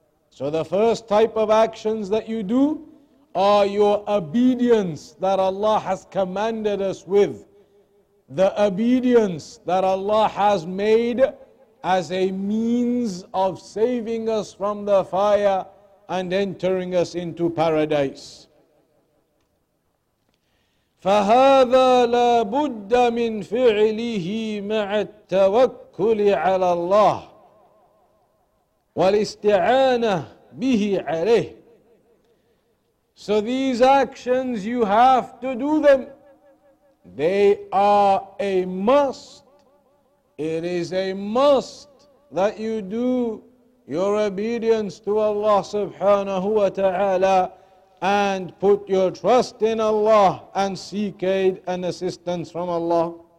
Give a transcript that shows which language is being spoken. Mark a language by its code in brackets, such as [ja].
[en] So the first type of actions that you do are your obedience that Allah has commanded us with, the obedience that Allah has made as a means of saving us from the fire and entering us into paradise. [ar] فهذا لابد من فعله مع التوكل على الله والاستعانة به عليه. [en] So these actions you have to do them. They are a must. It is a must that you do your obedience to Allah subhanahu wa ta'ala and put your trust in Allah and seek aid and assistance from Allah.